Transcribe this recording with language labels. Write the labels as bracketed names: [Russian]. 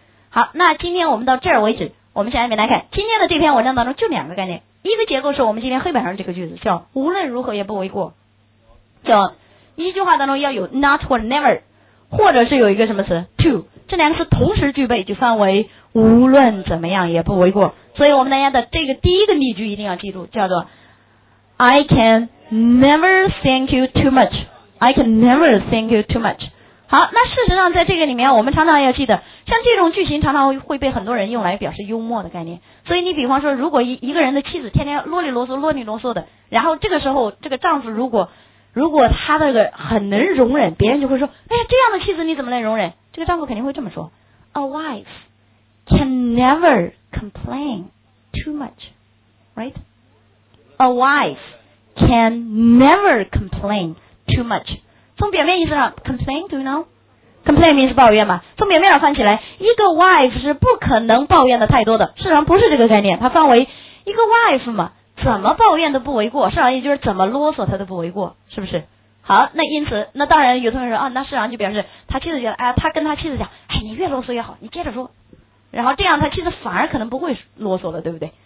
[Chinese] 好，那今天我们到这儿为止。我们下面来看今天的这篇文章当中就两个概念，一个结构是我们今天黑板上这个句子，叫无论如何也不为过，叫一句话当中要有 not or never， 或者是有一个什么词 to， 这两个词同时具备就算为无论怎么样也不为过。所以我们大家的这个第一个例句一定要记住，叫做 [English] I can never thank you too much， I can never thank you too much。 [Chinese] 好，那事实上在这个里面我们常常要记得，像这种句型常常会被很多人用来表示幽默的概念。所以你比方说，如果一个人的妻子天天啰里啰嗦啰里啰嗦的，然后这个时候这个丈夫如果他那个很能容忍，别人就会说，哎呀，这样的妻子你怎么能容忍？这个丈夫肯定会这么说， [English] A wife can never complain too much， right？ A wife can never complain too much。 [Chinese] 从表面意思上 [English] complain do you know complain means [Chinese] 抱怨嘛，从表面上翻起来，一个 wife 是不可能抱怨的太多的，事实上不是这个概念，它翻为一个 wife 嘛，怎么抱怨都不为过，事实上也就是怎么啰嗦他都不为过，是不是？好，那因此那当然有同学说啊，那事实上就表示他妻子觉得，哎，他跟他妻子讲，哎，你越啰嗦越好，你接着说，然后这样他妻子反而可能不会啰嗦了，对不对？